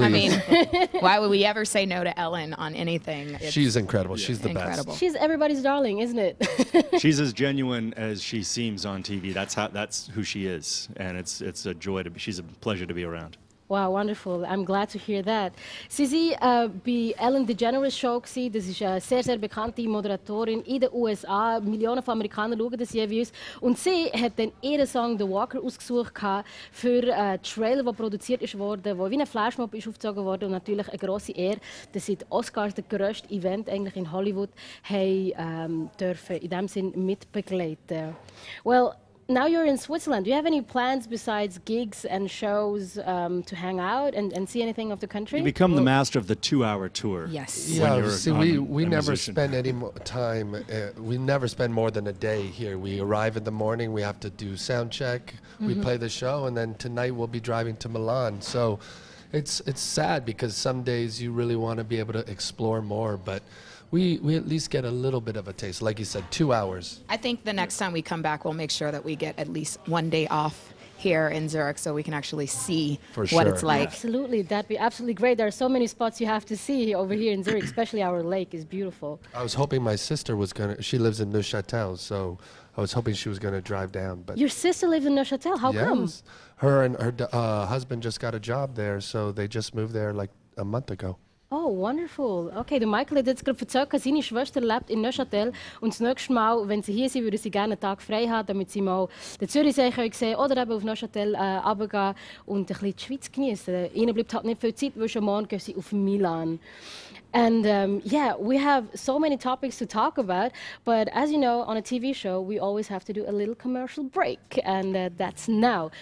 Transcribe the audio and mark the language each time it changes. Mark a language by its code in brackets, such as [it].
[en] I mean, why would we ever say no to Ellen on anything? It's she's incredible. Yeah. She's the incredible. Best. She's everybody's darling, isn't it? She's as genuine as she seems on TV. That's who she is. And it's a joy to be, she's a pleasure to be around. Wow, wonderful. I'm glad to hear that. [de] Sie war bei Ellen DeGeneres Show. Das ist eine sehr, sehr bekannte Moderatorin in den USA. Millionen von Amerikanern schauen das jeweils. Und sie hat dann ihren Song The Walker ausgesucht für einen Trailer, der produziert wurde, der wie ein Flashmob ist aufgezogen wurde. Und natürlich eine grosse Ehre, dass sie die Oscars, das grösste Event eigentlich in Hollywood, dürfen in dem Sinn mitbegleiten. [en] Well, now you're in Switzerland. Do you have any plans besides gigs and shows to hang out and see anything of the country? You become the master of the two-hour tour. Yes. Yeah, see, we never spend any time. We never spend more than a day here. We arrive in the morning. We have to do sound check. Mm-hmm. We play the show. And then tonight we'll be driving to Milan. So it's sad because some days you really want to be able to explore more. But We at least get a little bit of a taste. Like you said, 2 hours. I think the next time we come back, we'll make sure that we get at least one day off here in Zurich so we can actually see for what sure. it's like. Absolutely, that'd be absolutely great. There are so many spots you have to see over here in Zurich, especially our lake is beautiful. I was hoping my sister was gonna, she lives in Neuchâtel, so I was hoping she was gonna drive down. But your sister lives in Neuchâtel, how yes. come? Her and her husband just got a job there, so they just moved there like a month ago. Oh, wonderful. [de] Okay, der Michael hat jetzt gerade erzählt, dass seine Schwester lebt in Neuchâtel. Und das nächste Mal, wenn sie hier sind, würden sie gerne einen Tag frei haben, damit sie mal den Zürichsee sehen können oder eben auf Neuchâtel runtergehen und ein bisschen die Schweiz genießen. Ihnen bleibt halt nicht viel Zeit, weil schon morgen gehen sie auf Milan. [en] And yeah, we have so many topics to talk about, but as you know, on a TV show, we always have to do a little commercial break, and that's now.